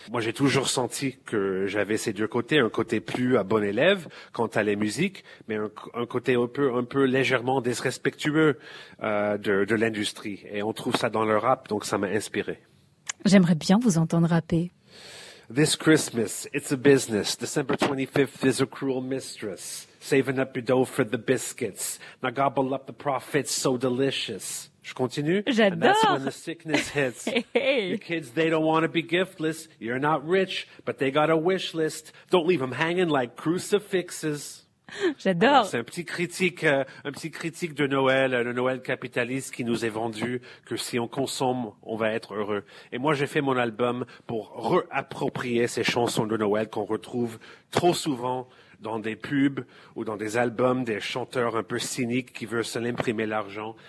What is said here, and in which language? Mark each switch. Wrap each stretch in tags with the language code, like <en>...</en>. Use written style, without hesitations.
<fr>Moi, j'ai toujours senti que j'avais ces deux côtés, un côté plus à bon élève quant à la musique, mais un côté un peu légèrement disrespectueux de l'industrie. Et on trouve ça dans le rap, donc ça m'a inspiré. J'aimerais bien vous entendre rapper.</fr> <en>This Christmas, it's a business. December 25th is a cruel mistress. Saving up your dough for the biscuits. Now gobble up the profits so delicious.</en> <fr>Je continue? J'adore!</fr> <en>And that's when the sickness hits. Hey. Your kids, they don't want to be giftless. You're not rich, but they got a wish list. Don't leave them hanging like crucifixes.</en> <fr>J'adore. Alors, c'est un petit critique de Noël, le Noël capitaliste qui nous est vendu que si on consomme, on va être heureux. Et moi, j'ai fait mon album pour réapproprier ces chansons de Noël qu'on retrouve trop souvent dans des pubs ou dans des albums des chanteurs un peu cyniques qui veulent se l'imprimer l'argent.</fr>